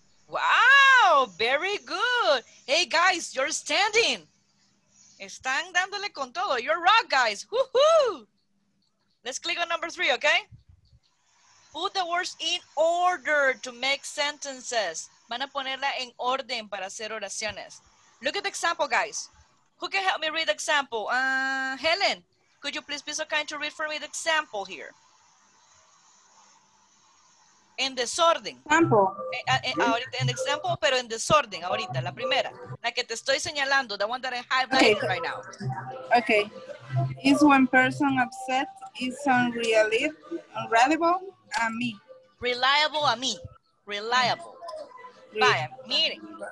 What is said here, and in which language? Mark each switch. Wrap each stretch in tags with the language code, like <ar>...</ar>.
<en>Wow, very good. Hey, guys, you're standing.</en> <es>Están dándole con todo.</es> <en>You're rock, guys. Woohoo! Let's click on number three, okay? Put the words in order to make sentences.</en> <es>Van a ponerla en orden para hacer oraciones.</es> <en>Look at the example, guys. Who can help me read the example? Helen, could you please be so kind to read for me the example here?</en> <es>En desorden.</es> <en>Example.</en> <es>Ahorita en example, pero en desorden, ahorita, la primera. La que te estoy señalando,</es> <en>the one that I highlighted okay. Right now. Okay. Is one person upset? Is unreliable?</en> <es>Reliable a mí. Reliable. Vaya, miren.</es>